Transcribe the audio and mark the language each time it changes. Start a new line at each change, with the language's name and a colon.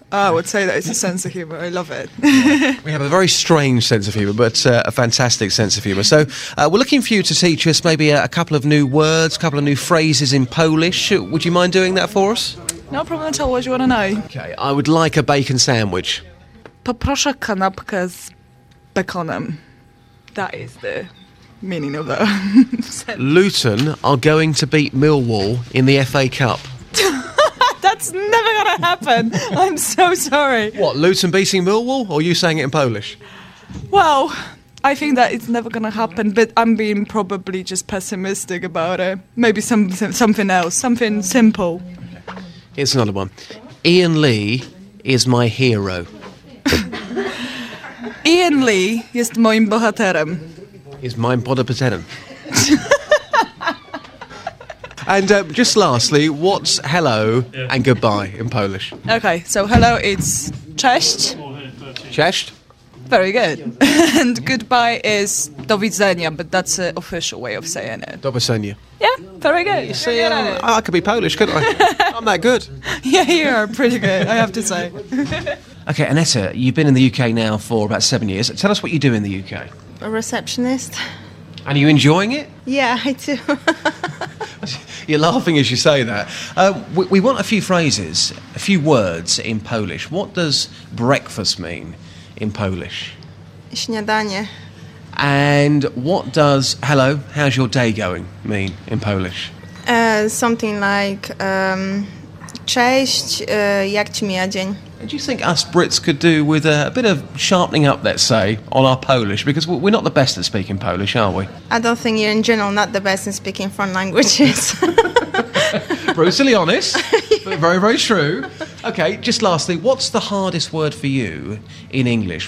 English: I would say that it's a sense of humour. I love it. We have a very strange sense of humour, but a fantastic sense of humour. So we're looking for you to teach us maybe a couple of new words, a couple of new phrases in Polish. Would you mind doing that for us? No problem at all. What do you want to know? Okay, I would like a bacon sandwich.
Polish: Poproszę kanapkę z bekonem.
English: That is the meaning of that. Luton are going to beat Millwall in the FA Cup. That's never going to happen. I'm so sorry. What, Luton beating Millwall? Or are you saying it in Polish? Well, I think that it's never going to happen, but I'm being probably just pessimistic about it. Maybe something else, something simple. Here's another one. Iain Lee is my hero.
Polish: Iain Lee jest moim bohaterem.
English: Is my bohaterem. And just lastly, what's hello and goodbye in Polish? Okay, so hello is cześć.
Polish: Cześć.
English: Very good. And goodbye is
Polish: do widzenia,
English: but that's an official way of saying it.
Polish: Do widzenia.
English: Yeah, very good. You see, I could be Polish, couldn't I? I'm that good. Yeah, you are pretty good, I have to say. Okay, Annetta, you've been in the UK now for about 7 years. Tell us what you do in the UK. A receptionist. And are you enjoying it? Yeah, I do. You're laughing as you say that. We want a few phrases, a few words in Polish. What does breakfast mean in Polish?
Polish: Śniadanie.
English: And what does hello, how's your day going, mean in Polish? Something like
Polish: cześć, jak ci mija dzień.
English: Do you think us Brits could do with a bit of sharpening up, let's say, on our Polish? Because we're not the best at speaking Polish, are we? I don't think you're in general not the best in speaking foreign languages. Brutally honest, but very, very true. Okay, just lastly, what's the hardest word for you in English?